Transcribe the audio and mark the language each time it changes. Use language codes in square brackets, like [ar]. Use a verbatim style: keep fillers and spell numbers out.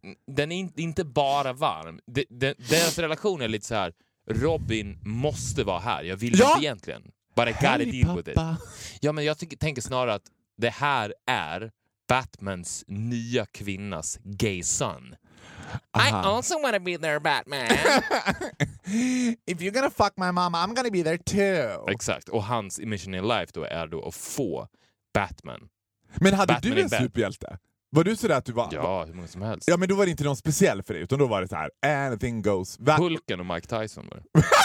[sv] Och, den är inte, inte bara varm. De, de, deras relation är lite så här Robin måste vara här. Jag vill ja. inte egentligen. Bara [en] gotta deal with it. [sv] Ja, men jag tycker, tänker snarare att det här är Batmans nya kvinnas gay son. [en] Aha. I also want to be there, Batman. If you're gonna fuck my mama, I'm gonna be there too. [sv] Exakt, och hans [en] mission in life [sv] då är då att få Batman. Men hade Batman du en superhjälte? Var du sådär att du var... Ja, hur många som helst. Ja, men då var det inte någon speciell för dig, utan då var det så här: [en] anything goes... [sv] Va- Hulken och Mike Tyson var det.